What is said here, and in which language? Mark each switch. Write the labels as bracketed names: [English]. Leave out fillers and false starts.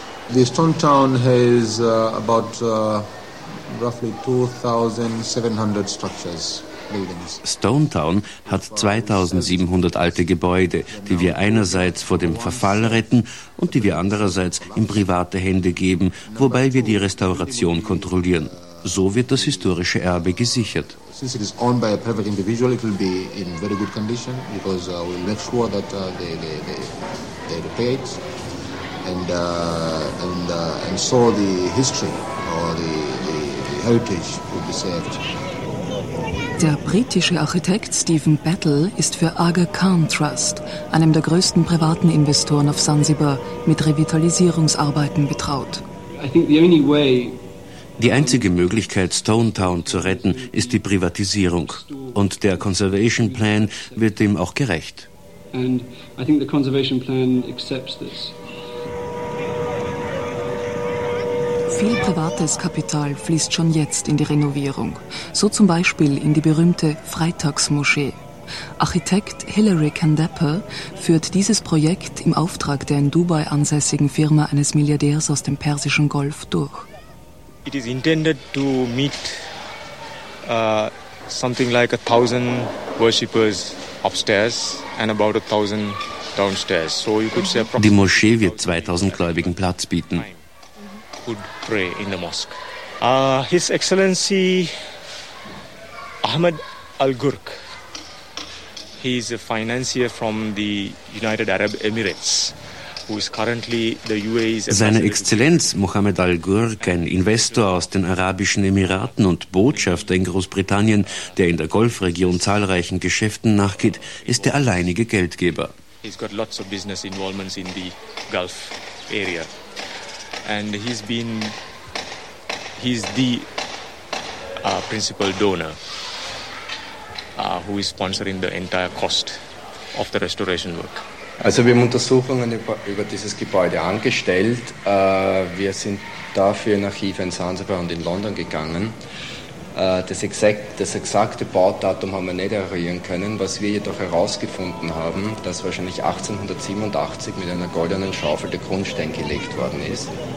[English] The Stone Town has about roughly 2,700 structures, buildings. [German] Stone Town hat 2,700 alte Gebäude, die wir einerseits vor dem Verfall retten und die wir andererseits in private Hände geben, wobei wir die Restauration kontrollieren. So wird das historische Erbe gesichert. [English] Since it is owned by a private individual, it will be in very good condition because we will make sure that they repair it. And so the history or the heritage will be saved. [German] Der britische Architekt Stephen Battle ist für Aga Khan Trust, einem der größten privaten Investoren auf Sansibar, mit Revitalisierungsarbeiten betraut. [English] I think the only way. [German] Die einzige Möglichkeit, Stone Town zu retten, ist die Privatisierung. Und der Conservation Plan wird dem auch gerecht. [English] And I think the Conservation Plan accepts this. [German] Viel privates Kapital fließt schon jetzt in die Renovierung. So zum Beispiel in die berühmte Freitagsmoschee. Architekt Hilary Candapper führt dieses Projekt im Auftrag der in Dubai ansässigen Firma eines Milliardärs aus dem Persischen Golf durch. [English] It is intended to meet something like 1,000 worshippers upstairs and about 1,000 downstairs. So you could say. [German] Die Moschee wird 2,000 Gläubigen Platz bieten. [English] Could pray in the mosque. His Excellency Ahmed Al Gurk. He is a financier from the United Arab Emirates. [German] Seine Exzellenz Mohammed Al-Gurk, ein Investor aus den Arabischen Emiraten und Botschafter in Großbritannien, der in der Golfregion zahlreichen Geschäften nachgeht, ist der alleinige Geldgeber. [English] He's got lots of business involvements in the Gulf area. And he's the principal donor who is sponsoring the entire cost of the restoration work. [German] Also wir haben Untersuchungen über dieses Gebäude angestellt. Wir sind dafür in Archive in Sansibar und in London gegangen. Das exakte Baudatum haben wir nicht eruieren können. Was wir jedoch herausgefunden haben, dass wahrscheinlich 1887 mit einer goldenen Schaufel der Grundstein gelegt worden ist.